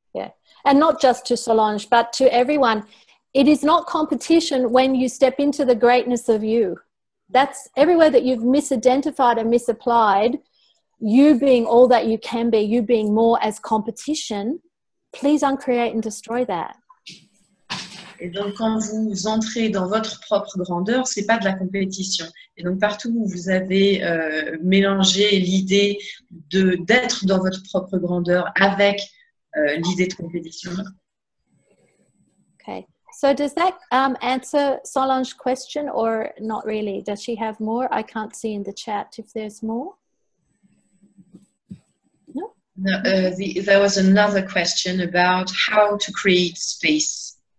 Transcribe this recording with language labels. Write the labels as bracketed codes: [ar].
[en] Yeah. And not just to Solange, but to everyone. It is not competition when you step into the greatness of you. That's everywhere that you've misidentified and misapplied, you being all that you can be, you being more as competition, please uncreate and destroy that. [fr] Et donc, quand vous entrez dans votre propre grandeur, ce n'est pas de la compétition. Et donc, partout où vous avez mélangé l'idée d'être dans votre propre grandeur avec l'idée de compétition. [en] Okay. So does that answer Solange's question or not really? Does she have more? I can't see in the chat if there's more. No? No, there was another question about how to create space.